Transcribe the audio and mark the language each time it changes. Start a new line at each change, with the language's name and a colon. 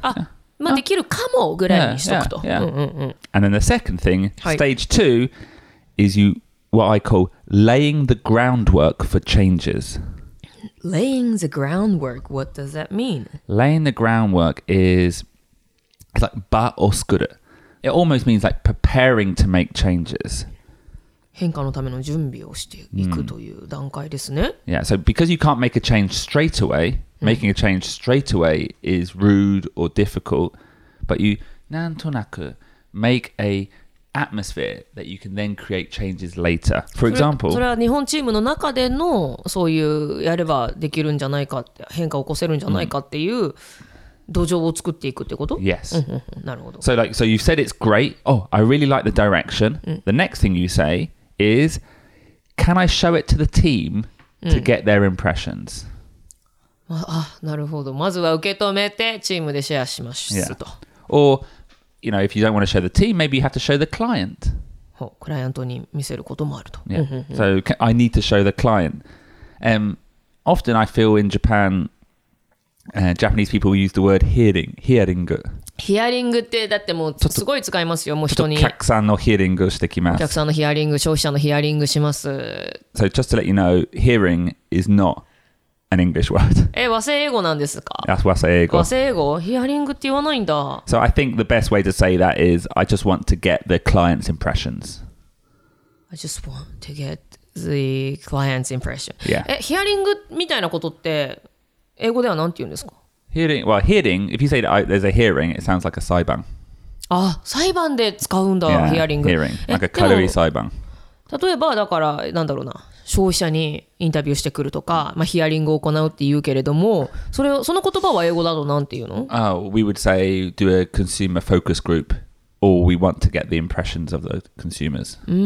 Japanese: あまあできるかもぐらいにしとくと。
English: And then the second thing, stage two, is you, what I call laying the groundwork for changes. Laying the groundwork, what does that mean? Laying the groundwork is like ba oskuru. It almost means like preparing to make changes.
Japanese: 変化のための準備をしていくという段階ですね。
English: Yeah, so because you can't make a change straight away, making a change straight away is rude or difficult, but you なんとなく make a atmosphere that you can then create changes later. For example,
Japanese: それは日本チームの中でのそういうやればできるんじゃないか、変化を起こせるんじゃないかっていう土壌を作っていくってこと?
English: Yes.
Japanese: なるほど。
English: So, like, so you've said it's great. Oh, I really like the direction. The next thing you say is, can I show it to the team to get their impressions?
Japanese: なるほど。まずは受け止めてチームでシェアしますと。
English: Or, you know, if you don't want to show the team, maybe you have to show the client.
Japanese: クライアントに見せることもあると。
English: So I need to show the client. Often I feel in Japan,Japanese people use the word hearing. Hearing.
Japanese: Hearing ってだってもうすごい使いますよ。もう人に。お客さんのヒアリングしてきます。お客さんのヒアリング、消費者のヒアリングします。
English: So just to let you know, hearing is not an English word.
Japanese: 和製英語なんですか?
English: That's 和製英語。
Japanese: 和製英語? ヒアリングって言わないんだ。
English: So I think the best way to say that is I just want to get the client's impressions. I just want to get the client's impression. Yeah.
Japanese: ヒアリングみたいなことって英語ではなんて言うんですか?
English: Hearing, well, hearing, if you say that there's a hearing, it sounds like a 裁判。
Japanese: あ、裁判で使うんだ、
English: yeah, hearing。 Hearing, like a cutlery 裁判。
Japanese: 例えば、だから、なんだろうな、消費者にインタビューしてくるとか、まあ、ヒアリングを行うって言うけれども、それを、その言葉は英語だとなんて言うの?
English: We would say, do a consumer focus group, or we want to get the impressions of the consumers.